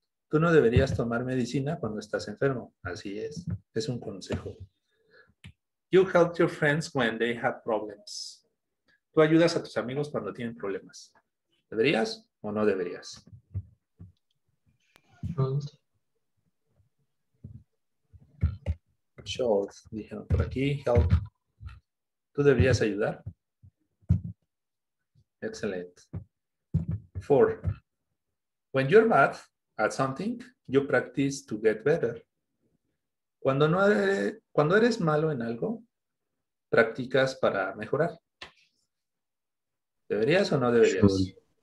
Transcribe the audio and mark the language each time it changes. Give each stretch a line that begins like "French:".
Spanish: Tú no deberías tomar medicina cuando estás enfermo. Así es. Es un consejo.
English: You help your friends when they have problems.
Spanish: Tú ayudas a tus amigos cuando tienen problemas. ¿Deberías o no deberías?
English: Should.
Spanish: Should. Dijeron por aquí. Help. ¿Tú deberías ayudar?
English: Excellent. 4. When you're bad at something, you practice to get better.
Spanish: Cuando eres malo en algo, practicas para mejorar. ¿Deberías o no deberías?